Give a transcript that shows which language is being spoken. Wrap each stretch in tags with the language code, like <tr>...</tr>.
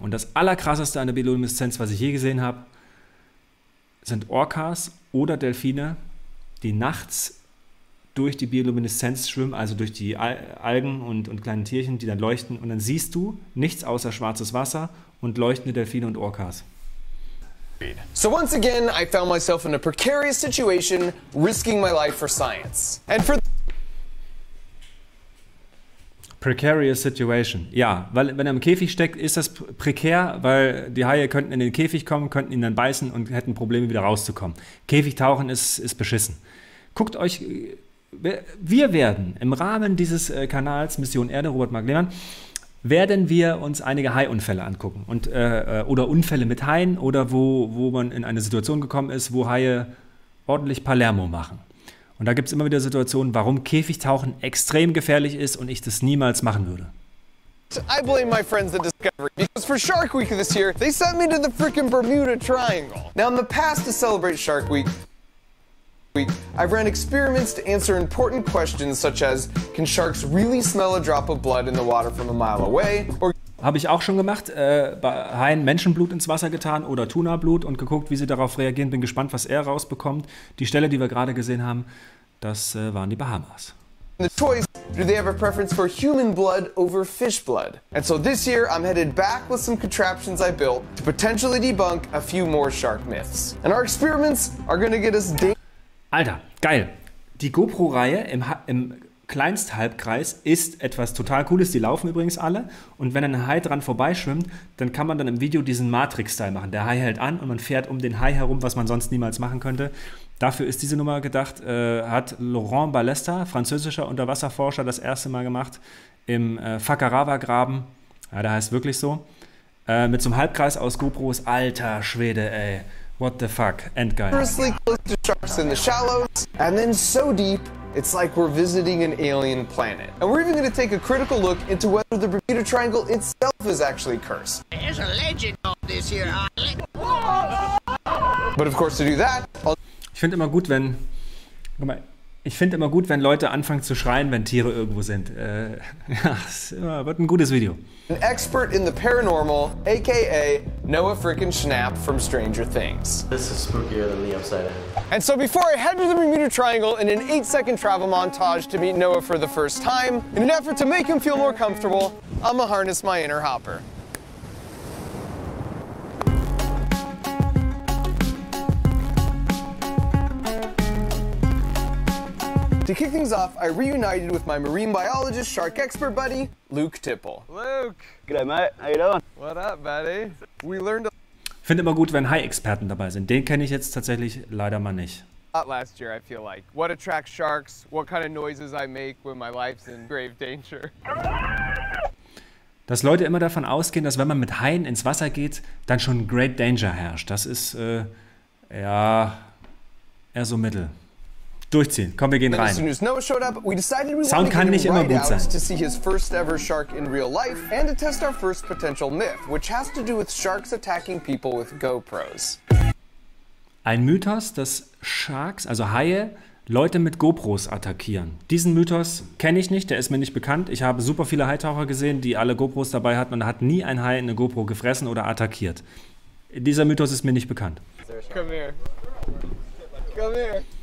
<de>Und das Allerkrasseste an der Biolumineszenz, was ich je gesehen habe, sind Orcas oder Delfine, die nachts durch die Biolumineszenz schwimmen, also durch die Algen und kleinen Tierchen, die dann leuchten. Und dann siehst du nichts außer schwarzes Wasser und leuchtende Delfine und Orcas.</de> <en>So once again, I found myself in a precarious situation, risking my life for science. And for precarious situation.</en> <de>Ja, weil wenn er im Käfig steckt, ist das prekär, weil die Haie könnten in den Käfig kommen, könnten ihn dann beißen und hätten Probleme, wieder rauszukommen. Käfigtauchen ist beschissen. Guckt euch... Wir werden im Rahmen dieses Kanals Mission Erde, Robert Mark Lehmann, werden wir uns einige Haiunfälle angucken und, oder Unfälle mit Haien oder wo man in eine Situation gekommen ist, wo Haie ordentlich Palermo machen. Und da gibt es immer wieder Situationen, warum Käfigtauchen extrem gefährlich ist und ich das niemals machen würde.</de> <en>I blame my friends at Discovery because for Shark Week this year, they sent me to the freaking Bermuda Triangle. Now in the past to celebrate Shark Week, I've ran experiments to answer important questions such as can sharks really smell a drop of blood in the water from a mile away?</en> <de>Or habe ich auch schon gemacht, bei Haien Menschenblut ins Wasser getan oder Tunablut und geguckt, wie sie darauf reagieren. Bin gespannt, was er rausbekommt. Die Stelle, die wir gerade gesehen haben, das waren die Bahamas.</de> <en>The choice, do they have a preference for human blood over fish blood? And so this year I'm headed back with some contraptions I built to potentially debunk a few more shark myths. And our experiments are going to get us</en> <de>Alter, geil. Die GoPro-Reihe im Kleinsthalbkreis ist etwas total Cooles. Die laufen übrigens alle. Und wenn ein Hai dran vorbeischwimmt, dann kann man dann im Video diesen Matrix-Style machen. Der Hai hält an und man fährt um den Hai herum, was man sonst niemals machen könnte. Dafür ist diese Nummer gedacht, hat Laurent Ballesta, französischer Unterwasserforscher, das erste Mal gemacht im Fakarava-Graben. Ja, der heißt wirklich so. Mit so einem Halbkreis aus GoPros. Alter Schwede, ey.</de> <en>What the fuck? Endgame. Close to sharks in the shallows and then so deep It's like we're visiting an alien planet. And we're even going to take a critical look into whether the Bermuda Triangle itself is actually cursed. There's a legend on this here island. But of course, to do that,</en> <de>ich finde immer gut, wenn, guck mal, ich finde immer gut, wenn Leute anfangen zu schreien, wenn Tiere irgendwo sind. Ja, wird ein gutes Video.</de> <en>An expert in the paranormal, aka Noah Frickin' Schnapp from Stranger Things. This is spookier than the upside down. And so before I head to the Bermuda Triangle in an 8-second travel montage to meet Noah for the first time, in an effort to make him feel more comfortable, I'ma harness my inner hopper. To kick things off, I reunited with my marine biologist shark expert buddy, Luke Tipple. Luke! G'day mate, how you doing? What up, buddy? We learned a</en> <de>finde immer gut, wenn Hai-Experten dabei sind. Den kenne ich jetzt tatsächlich leider mal nicht.</de> <en>Not last year, I feel like. What attracts sharks? What kind of noises I make when my life's in grave danger?</en> <de>Dass Leute immer davon ausgehen, dass wenn man mit Haien ins Wasser geht, dann schon Great Danger herrscht. Das ist, ja, eher so mittel. Durchziehen. Komm, wir gehen rein.</de> <en>As soon as Noah showed up, we decided we</en> <de>Sound kann nicht immer gut sein.</de> <en>To see his first ever shark in real life and to test our first potential myth, which has to do with sharks attacking people with GoPros.</en> <de>Ein Mythos, dass Sharks, also Haie, Leute mit GoPros attackieren. Diesen Mythos kenne ich nicht, der ist mir nicht bekannt. Ich habe super viele Haitaucher gesehen, die alle GoPros dabei hatten und hat nie ein Hai eine GoPro gefressen oder attackiert. Dieser Mythos ist mir nicht bekannt. Komm her. Komm her.</de>